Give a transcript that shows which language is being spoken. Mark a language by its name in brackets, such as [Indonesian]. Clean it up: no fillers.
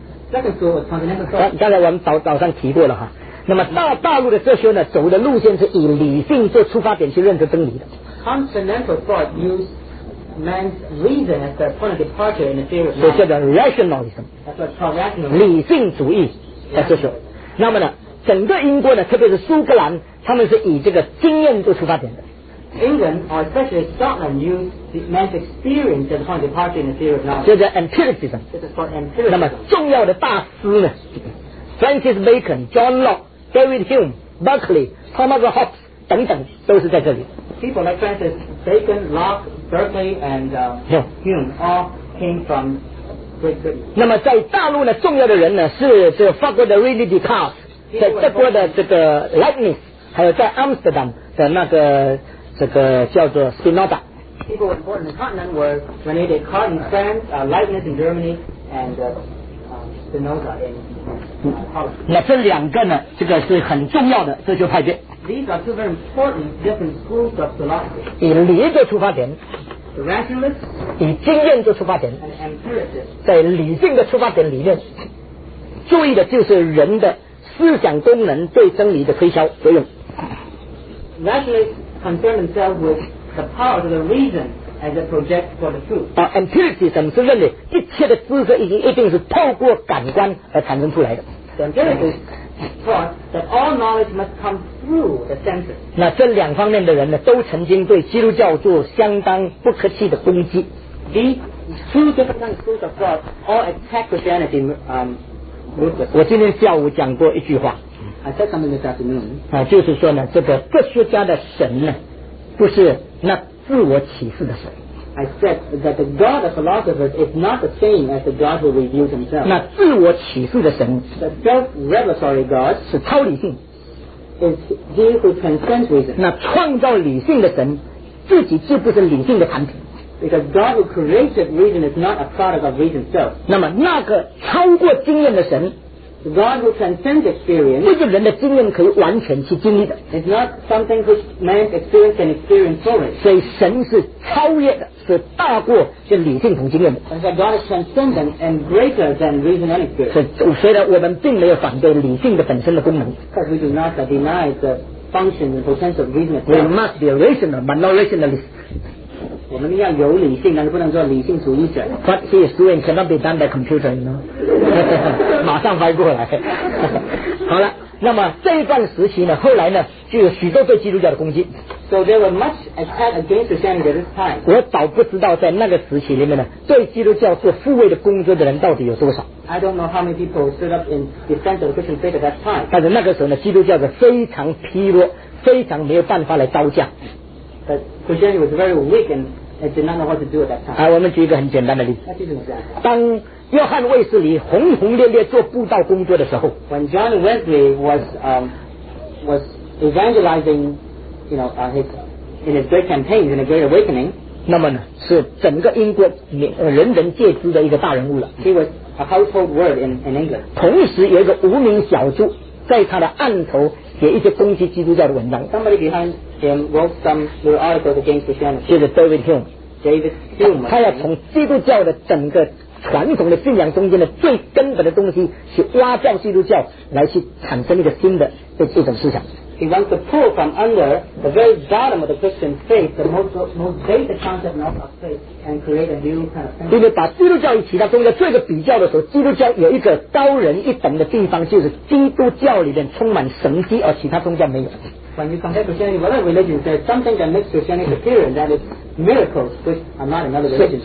[Chinese] 刚才我们早上提过了哈，那么到大陆的这时候呢，走的路线是以理性做出发点去认识真理的。 [English] Continental thought used man's reason as the point of departure in the theory of life. [Chinese] 所以叫做 rationalism. [English] That's what called rationalism. [Chinese] 理性主义在这时候。那么呢，整个英国呢，特别是苏格兰，他们是以这个经验做出发点的。 [English] England, or especially Scotland, used man's experience as the point of departure in the theory of life. [Chinese] 这叫 empiricism. [English] This is called empiricism. [Chinese] 那么重要的大师呢 ，Francis Bacon, John Locke, David Hume, Berkeley, Thomas Hobbes. 等等都是在这里。 [English] People like Francis Bacon, Locke, Berkeley, and Hume all came from Great Britain. [Chinese] 那么在大陆呢，重要的人呢是法国的 René Descartes， 在德国的这个 Leibniz， 还有在 Amsterdam 的那个这个叫做 Spinoza。 [English] People important in the continent were René Descartes in France, Leibniz in Germany, and Spinoza in. [Chinese] 那这两个呢，这个是很重要的哲学派别。 [English] These are two very important different schools of philosophy. [Chinese] 以理做出发点 [English] ，the rationalist， [Chinese] 以经验做出发点 [English] ，an empiricist， [Chinese] 在理性的出发点里面，注意的就是人的思想功能对真理的推销作用。 [English] Rationalists concern themselves with the power of the reason as a project for the truth. [Chinese] Empiricism 是认为一切的知识一定是透过感官而产生出来的。 [English] Empiricism taught that all knowledge must come through the senses. [Chinese] 那这两方面的人呢，都曾经对基督教做相当不客气的攻击。 [English] These two different kinds of schools of thought all attack Christianity ruthlessly. [Chinese] 我今天下午讲过一句话。 [English] I said something this afternoon. [Chinese] 就是说呢，这个哲学家的神呢，不是那自我启示的神。 [English] I said that the God of philosophers is not the same as the God who reveals himself. [Chinese] 那自我启示的神 [English] ，the self-revelatory God [Chinese] 是超理性 [English] ，is he who transcends reason. [Chinese] 那创造理性的神，自己既不是理性的产品 [English] ，because God who created reason is not a product of reason itself. [Chinese] 那么那个超过经验的神 [English] ，the God who transcends experience， [Chinese] 不是人的经验可以完全去经历的 [English] ，is not something which man's experience can experience fully. [Chinese] 所以神是超越的。是大过是理性同经验的。 [English] God is transcendent and greater than reason and experience. [Chinese] 虽然我们并没有反对理性的本身的功能。 [English] Because we do not deny the function and potential of reason. We must be rational, but not rationalist. [Chinese] 我们要有理性，但是不能做理性主义者。 [English] What he is doing cannot be done by computer, you know. [Chinese] 马上翻过来。好了。那么这一段时期呢，后来呢，就有许多对基督教的攻击。 [English] So there were much attack against Christianity at this time. [Chinese] 我倒不知道在那个时期里面呢，对基督教做复位的工作的人到底有多少。 [English] I don't know how many people stood up in defense of the Christian faith at that time. [Chinese] 但是那个时候呢，基督教是非常疲弱，非常没有办法来招架。 [English] But Christianity was very weak and it did not know what to do at that time. [Chinese] 我们举一个很简单的例子。当约翰卫斯理轰轰烈烈做布道工作的时候 [English] ，When John Wesley was evangelizing, you know, in his great campaigns, in a great awakening, [Chinese] 那么呢，是整个英国人人皆知的一个大人物了。 [English] He was a household word in England. [Chinese] 同时，有一个无名小卒在他的案头写一些攻击基督教的文章。 [English] Somebody behind him wrote some little articles against Christianity. [Chinese] 就是 David Hume. [English] David Hume. [Chinese] 他要从基督教的整个传统的信仰中间的最根本的东西去挖掉基督教来去产生一个新的这种思想。 [English] He wants to pull from under the very bottom of the Christian faith, the most basic concept of faith, and create a new kind of thing. [Chinese] 因为把基督教与其他宗教做一个比较的时候，基督教有一个高人一等的地方，就是基督教里面充满神迹，而其他宗教没有。 [English] When you compare Christianity with other religions, there's something that makes Christianity appear, and that is miracles, which are not in other religions.